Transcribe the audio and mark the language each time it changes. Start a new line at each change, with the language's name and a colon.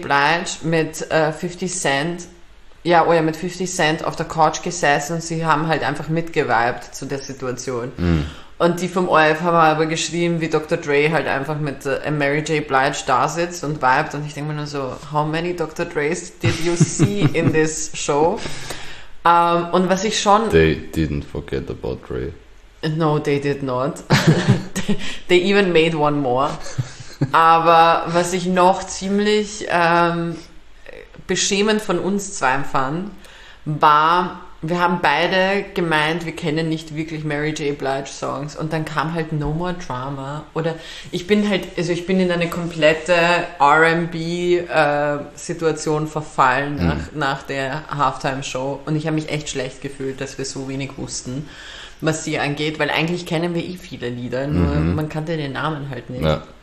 German: Blige mit 50 Cent, ja, oh ja, mit 50 Cent auf der Couch gesessen und sie haben halt einfach mitgevibed zu der Situation. Und die vom ORF haben aber geschrieben, wie Dr. Dre halt einfach mit Mary J. Blige da sitzt und vibet und ich denke mir nur so,
English: how many Dr. Dres did you see in this show?
German: Und was ich schon.
English: They didn't forget about Ray. No, they did not. They even made one more.
German: Aber was ich noch ziemlich beschämend von uns zwei fand, war, wir haben beide gemeint, wir kennen nicht wirklich Mary J. Blige Songs und dann kam halt No More Drama oder ich bin halt, also ich bin in eine komplette R&B-Situation verfallen nach der Halftime-Show und ich habe mich echt schlecht gefühlt, dass wir so wenig wussten, was sie angeht, weil eigentlich kennen wir eh viele Lieder, nur man kannte den Namen halt nicht.